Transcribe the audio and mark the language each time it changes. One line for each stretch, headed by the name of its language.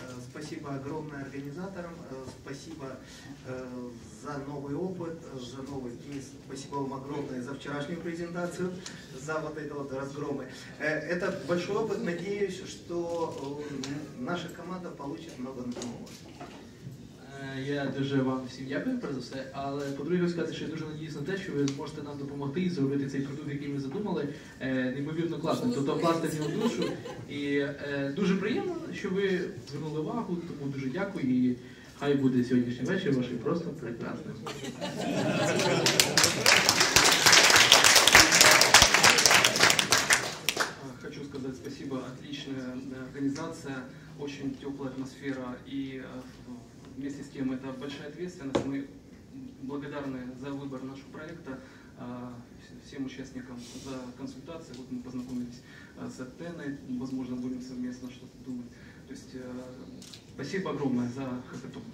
Russian: Спасибо огромное организаторам, спасибо за новый опыт, за новый кейс, спасибо вам огромное за вчерашнюю презентацию, за вот эти вот разгромы. Это большой опыт, надеюсь, что наша команда получит много нового.
Ukrainian: Я дуже вам всім дякую, перш за все, але по-друге, хочу сказати, що я дуже надіюсь на те, що ви зможете нам допомогти і зробити цей продукт, який ми задумали, неймовірно класно, тобто вкласти в нього душу. І дуже приємно, що ви звернули увагу, тому дуже дякую і хай буде сьогоднішній вечір вашим просто прекрасним. Хочу сказати спасибо, отлична організація, дуже тепла атмосфера і...
Russian: Вместе с тем, это большая ответственность. Мы благодарны за выбор нашего проекта, всем участникам за консультации. Вот мы познакомились с Атеной, возможно, будем совместно что-то думать. То есть, спасибо огромное за хакатон.